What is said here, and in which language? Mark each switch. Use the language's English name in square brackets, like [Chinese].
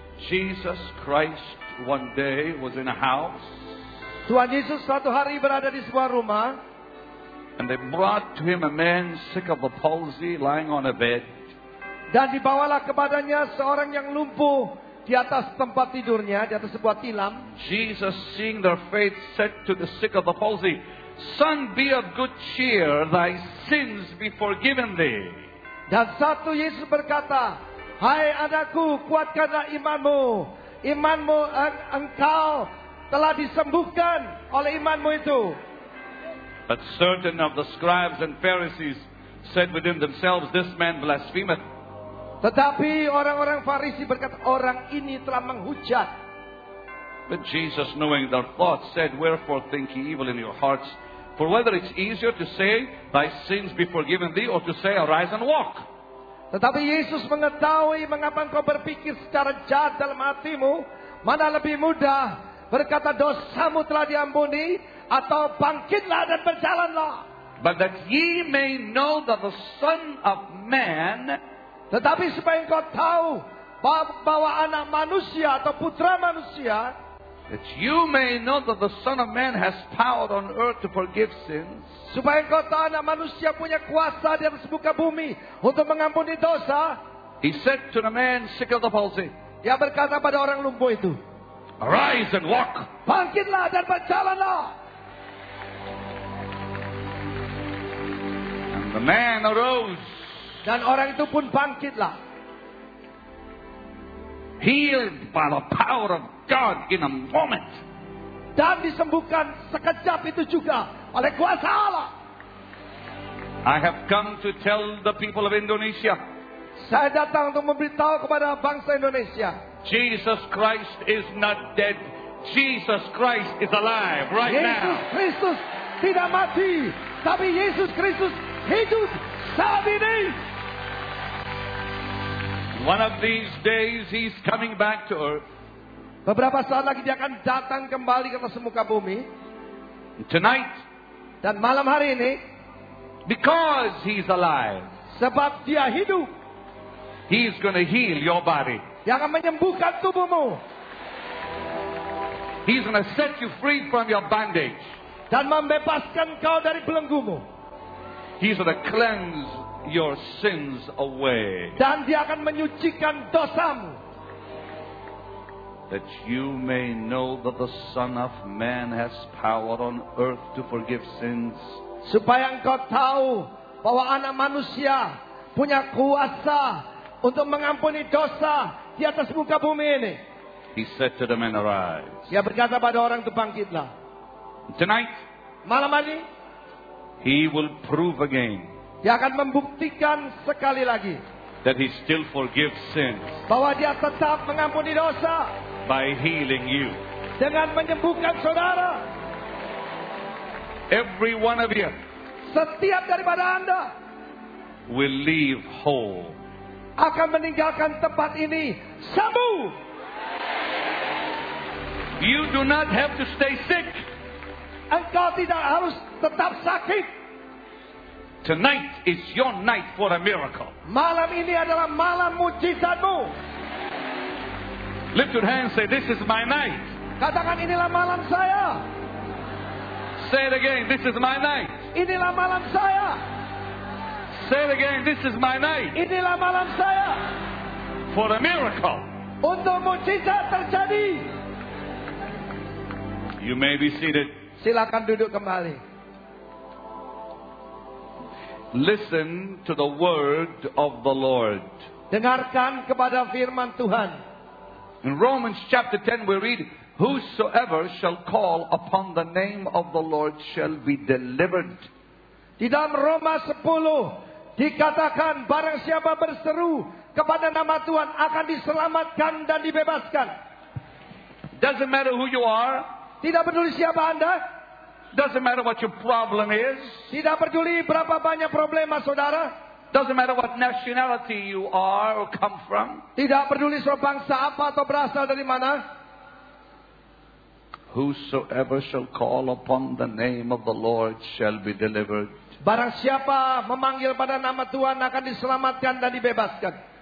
[English] Jesus Christ one day was in a house. [Indonesian] Tuhan Yesus suatu hari berada di sebuah rumah. [English] And they brought to him a man sick of a palsy lying on a bed. [Indonesian] Dan dibawalah kepadanya seorang yang lumpuh di atas tempat tidurnya, di atas sebuah tilam. [English] Jesus, seeing their faith, said to the sick of the palsy, Son, be of good cheer, thy sins be forgiven thee. [Indonesian] Dan satu Yesus berkata, Hai anakku, kuatkanlah imanmu. Imanmu engkau telah disembuhkan oleh imanmu itu. [English] But certain of the scribes and Pharisees said within themselves, This man blasphemeth. [Indonesian] Tetapi orang-orang Farisi berkata, orang ini telah menghujat. [English] But Jesus, knowing their thoughts, said, Wherefore think ye evil in your hearts? For whether it's easier to say, Thy sins be forgiven thee, or to say, Arise and walk. [Indonesian] Tetapi Yesus mengetahui mengapa engkau berpikir secara jahat dalam hatimu, mana lebih mudah berkata, Dosamu telah diampuni, atau bangkitlah dan berjalanlah. [English] But that ye may know that the Son of Man, [Indonesian] tetapi supaya engkau tahu bahwa anak manusia atau putra manusia, [English] that you may know that the Son of Man has power on earth to forgive sins, [Indonesian] supaya engkau tahu anak manusia punya kuasa di atas muka bumi untuk mengampuni dosa, [English] he said to the man sick of the palsy, [Indonesian] dia berkata pada orang lumpuh itu, [English] arise and walk, [Indonesian] bangkitlah dan berjalanlah. [English] And the man arose, [Indonesian] dan orang itu pun bangkitlah. [English] Healed by the power of God in a moment. [Indonesian] Dan disembuhkan sekejap itu juga oleh kuasa Allah. [English] I have come to tell the people of Indonesia. [Indonesian] Saya datang untuk memberitahu kepada bangsa Indonesia. [English] Jesus Christ is not dead. Jesus Christ is alive right [Indonesian] Yesus [English] now. [Indonesian] Yesus Kristus tidak mati, tapi Yesus Kristus hidup saat ini. [English] One of these days he's coming back to earth. [Indonesian] Beberapa saat lagi dia akan datang kembali ke atas muka bumi. [English] Tonight, [Indonesian] dan malam hari ini, [English] because he's alive, [Indonesian] sebab dia hidup, [English] he's going to heal your body. [Indonesian] Dia akan menyembuhkan tubuhmu. [English] He's going to set you free from your bondage. [Indonesian] Dan membebaskan kau dari belenggumu. [English] He's going to cleanse your sins away. [Indonesian] Dan dia akan menyucikan dosamu. [English] That you may know that the Son of Man has power on earth to forgive sins. [Indonesian] Supaya engkau tahu bahwa anak manusia punya kuasa untuk mengampuni dosa di atas muka bumi ini. [English] He said to the man, arise. [Indonesian] Dia berkata pada orang itu, bangkitlah. [English] Tonight, [Indonesian] malam ini, [English] he will prove again. [Indonesian] Dia akan membuktikan sekali lagi. [English] That he still forgives sins. [Indonesian] Bahwa dia tetap mengampuni dosa. [English] By healing you. [Indonesian] Dengan menyembuhkan saudara. [English] Every one of you. [Indonesian] Setiap daripada anda. [English] Will leave whole. [Indonesian] Akan meninggalkan tempat ini sembuh. [English] You do not have to stay sick. [Indonesian] Engkau tidak harus tetap sakit. [English] Tonight is your night for a miracle. [Indonesian] Malam ini adalah malam mujizatmu. [English] Lift your hands, say, this is my night. [Indonesian] Katakan, inilah malam saya. [English] Say it again, this is my night. [Indonesian] Inilah malam saya. [English] Say it again, this is my night. [Indonesian] Inilah malam saya. [English] For a miracle. [Indonesian] Untuk mukjizat terjadi. [English] You may be seated. [Indonesian] Silakan duduk kembali. [English] Listen to the word of the Lord. [Indonesian] Dengarkan kepada firman Tuhan. [English] In Romans chapter 10 we read, whosoever shall call upon the name of the Lord shall be delivered. [Indonesian] Di dalam Roma 10 dikatakan barang siapa berseru kepada nama Tuhan akan diselamatkan dan dibebaskan. [English] Doesn't matter who you are. [Indonesian] Tidak peduli siapa Anda. [English] Doesn't matter what your problem is. [Indonesian] Tidak peduli berapa banyak problema saudara. [English] Doesn't matter what nationality you are or come from. [Indonesian] Tidak peduli suatu bangsa apa atau berasal dari mana. [English] Whosoever shall call upon the name of the Lord shall be delivered. [Indonesian] Barang siapa memanggil pada nama Tuhan akan diselamatkan dan dibebaskan.